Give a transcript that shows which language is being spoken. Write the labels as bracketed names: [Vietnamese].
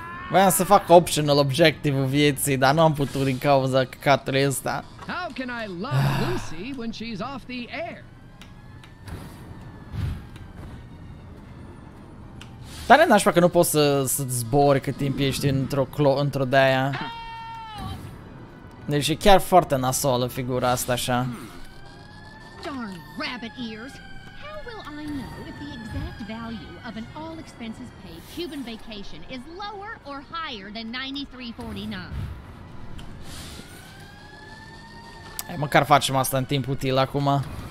[Romanian] Voiam să fac optional objective-ul vieții, dar nu am putut din cauza căcatului ăsta. [English] How can I love Lucy when she's off the air? [Romanian] Dar n-aș vrea că nu poți să-ți zbori cât timp ești într-o de-aia. Deci e chiar foarte nasoală figura asta așa. [English] Darn rabbit ears. How will I know if the exact value of an all expenses paid Cuban vacation is lower or higher than 9349? [Romanian] Măcar facem asta în timp util acum.